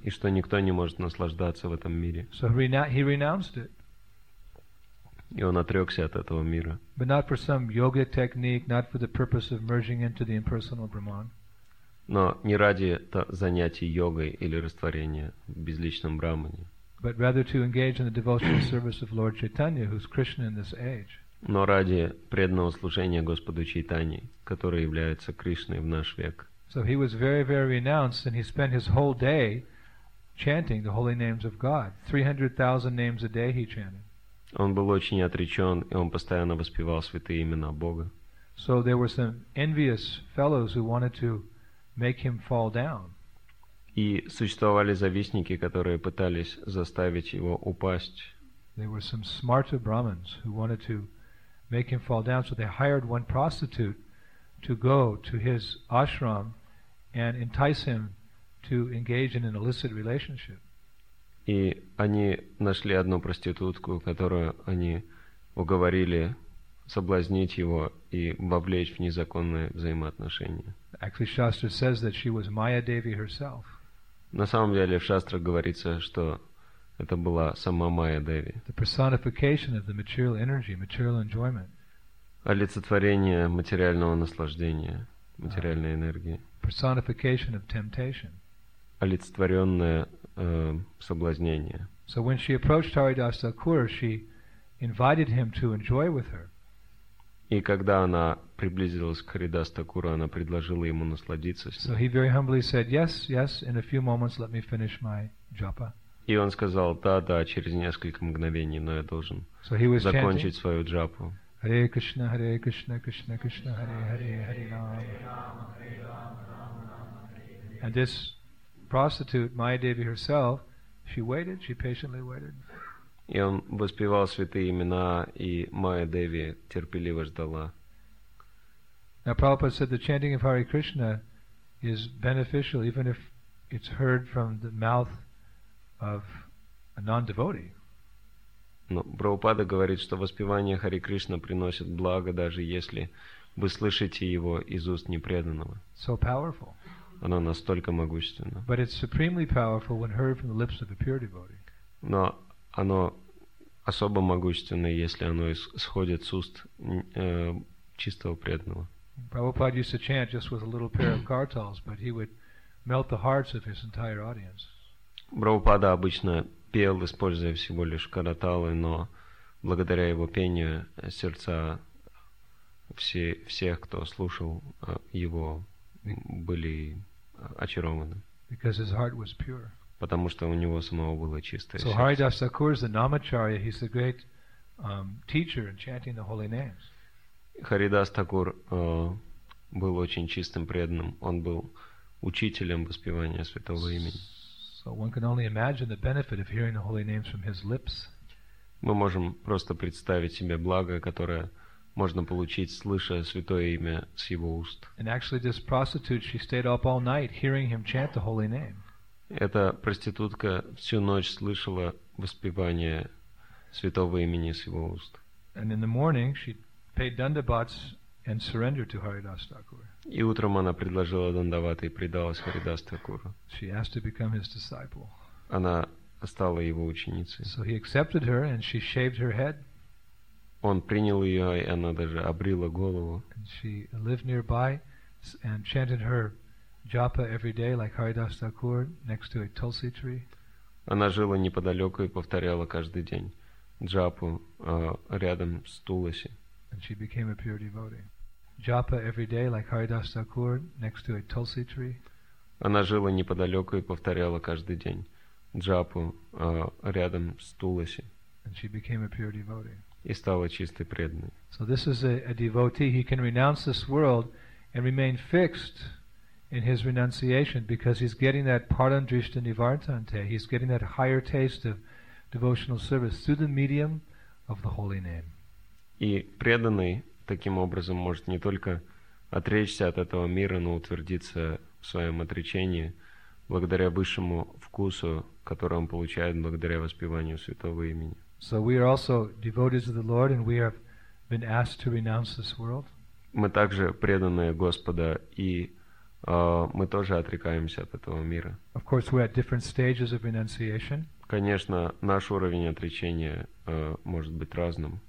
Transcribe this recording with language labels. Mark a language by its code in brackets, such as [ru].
[ru] И что никто не может наслаждаться в этом мире. [en] So he renounced it. [ru] И он отрекся от этого мира. [en] But not for some yogic technique, not for the purpose of merging into the impersonal Brahman. [ru] Но не ради занятий йогой или растворения в безличном Брахмане. [en] But rather to engage in the devotional service of Lord Chaitanya, who's Krishna in this age. [ru] Но ради преданного служения Господу Чайтани, который является Кришной в наш век. [en] So he was very, very renounced, and he spent his whole day chanting the holy names of God. 300,000 names a day he chanted. [ru] Он был очень отречен, и он постоянно воспевал святые имена Бога. [en] So there were some envious fellows who wanted to make him fall down. [ru] И существовали завистники, которые пытались заставить его упасть. [en] There were some smarter Brahmins who wanted to make him fall down, so they hired one prostitute to go to his ashram and entice him to engage in an illicit relationship. [ru] И они нашли одну проститутку, которую они уговорили соблазнить его и вовлечь в незаконные взаимоотношения. [en] Actually, Shastra says that she was Maya Devi herself. [ru] На самом деле в шастрах говорится, что это была сама Майя Деви. [en] The personification of the material energy, material enjoyment. [ru] Олицетворение материального наслаждения, материальной энергии. [en] Personification of temptation. [ru] Олицетворенное соблазнение. [en] So when she approached Haridas Thakur, she invited him to enjoy with her. [ru] И когда она приблизилась к Харидас Такуру, она предложила ему насладиться с ним. [en] So he very humbly said, yes, yes, in a few moments let me finish my japa. [ru] И он сказал, да, да, через несколько мгновений, но я должен закончить свою джапу. [sa] Hare Krishna, Hare Krishna, Krishna Krishna, Hare Hare, Hare Rama. [en] And this prostitute, Maya Devi herself, she waited, she patiently waited. [ru] И он воспевал святые имена, и Майя Деви терпеливо ждала. [en] Now Prabhupada said the chanting of Hare Krishna is beneficial even if it's heard from the mouth of a non-devotee. [ru] Но Прабхупада говорит, что воспевание Хари Кришна приносит благо, даже если вы слышите его из уст непреданного. [en] So powerful. [ru] Оно настолько могущественно. [en] But it's supremely powerful when heard from the lips of a pure devotee. [ru] Но оно особо могущественно, если оно исходит с уст чистого преданного. [en] Prabhupada used to chant just with a little pair of kartals, but he would melt the hearts of his entire audience. [ru] Прабхупада обычно пел, используя всего лишь караталы, но благодаря его пению сердца всех, кто слушал его, были очарованы. [en] Because his heart was pure. [ru] Потому что у него самого было чистое сердце. [en] So Haridas Thakur is the Namacharya, he's the great teacher and chanting the holy names. [ru] Харидас Такур был очень чистым преданным. Он был учителем воспевания святого имени. [en] So one can only imagine the benefit of hearing the holy names from his lips. [ru] Мы можем просто представить себе благо, которое можно получить, слыша святое имя с его уст. [en] And actually this prostitute, she stayed up all night hearing him chant the holy name. [ru] Эта проститутка всю ночь слышала воспевание святого имени с его уст. [en] And in the morning she paid dandavats and surrendered to Haridas Thakur. [ru] И утром она предложила дандаваты и предалась Харидас Такуру. [en] She asked to become his disciple. [ru] Она стала его ученицей. [en] So he accepted her and she shaved her head. [ru] Он принял ее, и она даже обрила голову. [en] And she lived nearby and chanted her japa every day like Haridas Thakur next to a tulsi tree. [ru] Она жила неподалеку и повторяла каждый день джапу рядом с туласи. [en] And she became a pure devotee. Japa every day like Haridas Thakur next to a tulsi tree. [ru] Она жила неподалеку и повторяла каждый день джапу рядом с туласи. [en] And she became a pure devotee. [ru] И стала чистой преданной. [en] So this is a devotee. He can renounce this world and remain fixed in his renunciation because he's getting that pardon drishta nivartante. He's getting that higher taste of devotional service through the medium of the holy name. [ru] И преданный таким образом может не только отречься от этого мира, но утвердиться в своем отречении благодаря высшему вкусу, который он получает благодаря воспеванию святого имени. [en] So we are also devotees of the Lord and we have been asked to renounce this world. [ru] Мы также преданные Господа и мы тоже отрекаемся от этого мира. [en] Of course we are at different stages of renunciation. [ru] Конечно, наш уровень отречения может быть разным.